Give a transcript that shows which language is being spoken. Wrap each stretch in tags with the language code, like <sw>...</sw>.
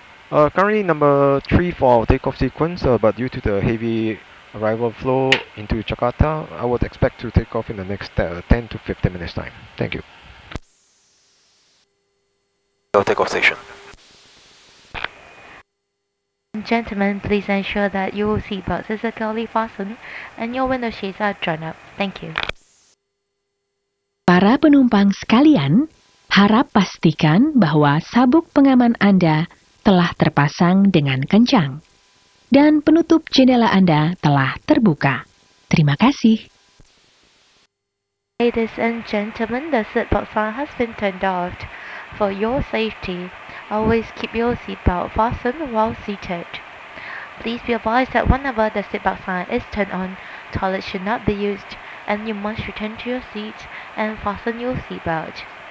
<en>Currently number 3 for our takeoff sequence, but due to the heavy arrival flow into Jakarta, I would expect to take off in the next 10 to 15 minutes time. Thank you. Takeoff station. Gentlemen, please ensure that your seatbelts are securely fastened and your window shades are drawn up. Thank you.</en> <id>Para penumpang sekalian, harap pastikan bahwa sabuk pengaman Anda telah terpasang dengan kencang dan penutup jendela Anda telah terbuka. Terima kasih.</id> <en>Ladies and gentlemen, the seatbelt sign has been turned off. For your safety, always keep your seatbelt fastened while seated. Please be advised that whenever the seatbelt sign is turned on, toilet should not be used and you must return to your seat and fasten your seatbelt.</en>